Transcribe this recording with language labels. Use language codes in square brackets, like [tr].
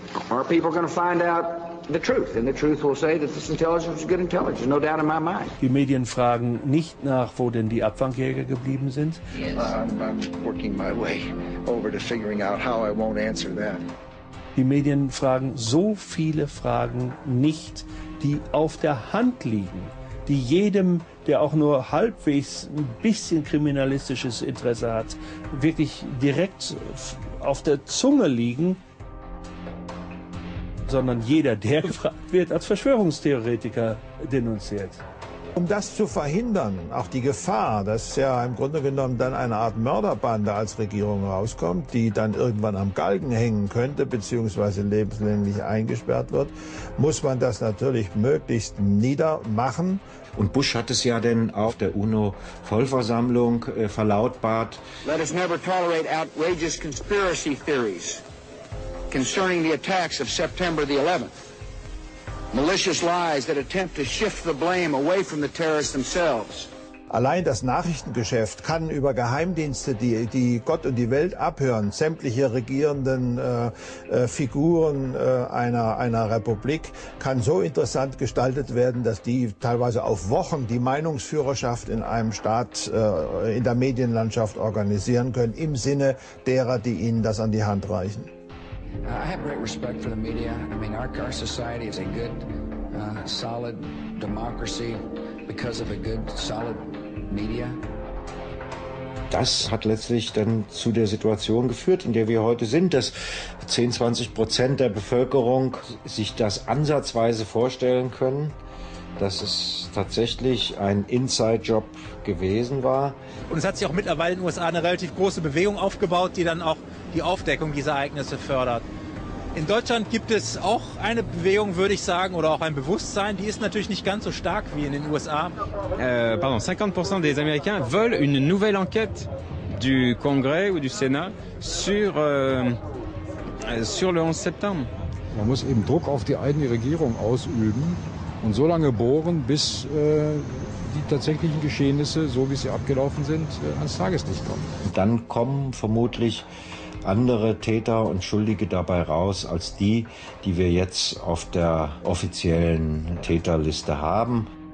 [en] Are people going to find out the truth? And the truth will say that this intelligence is good intelligence, no doubt in my mind. [de] Die Medien fragen nicht nach, wo denn die Abfangjäger geblieben sind. [en] Yes. I'm working my way over to figuring out how I won't answer that. [de] Die Medien fragen so viele Fragen nicht, die auf der Hand liegen, die jedem, der auch nur halbwegs ein bisschen kriminalistisches Interesse hat, wirklich direkt auf der Zunge liegen, sondern jeder, der gefragt wird, als Verschwörungstheoretiker denunziert. Um das zu verhindern, auch die Gefahr, dass ja im Grunde genommen dann eine Art Mörderbande als Regierung rauskommt, die dann irgendwann am Galgen hängen könnte, beziehungsweise lebenslänglich eingesperrt wird, muss man das natürlich möglichst niedermachen. Und Bush hat es ja denn auf der UNO-Vollversammlung verlautbart. [en] Let us never tolerate outrageous conspiracy theories concerning the attacks of September the 11th. Malicious lies that attempt to shift the blame away from the terrorists themselves. [de] Allein das Nachrichtengeschäft kann über Geheimdienste, die Gott und die Welt abhören, sämtliche regierenden Figuren einer Republik, kann so interessant gestaltet werden, dass die teilweise auf Wochen die Meinungsführerschaft in einem Staat, in der Medienlandschaft organisieren können, im Sinne derer, die ihnen das an die Hand reichen. [en] I have great respect for the media. I mean, our society is a good, solid democracy because of a good, solid media. [de] Das hat letztlich dann zu der Situation geführt, in der wir heute sind, dass 10-20% der Bevölkerung sich das ansatzweise vorstellen können, dass es tatsächlich ein Inside-Job gewesen war. Und es hat sich auch mittlerweile in den USA eine relativ große Bewegung aufgebaut, die dann auch die Aufdeckung dieser Ereignisse fördert. In Deutschland gibt es auch eine Bewegung, würde ich sagen, oder auch ein Bewusstsein, die ist natürlich nicht ganz so stark wie in den USA. [fr] 50% des Américains veulent une nouvelle enquête du Congrès ou du Sénat sur sur le 11 septembre. [de] Man muss eben Druck auf die eigene Regierung ausüben und so lange bohren, bis die tatsächlichen Geschehnisse, so wie sie abgelaufen sind, ans Tageslicht kommen. Und dann kommen vermutlich andere Täter und Schuldige dabei raus als die, die wir jetzt auf der offiziellen Täterliste haben.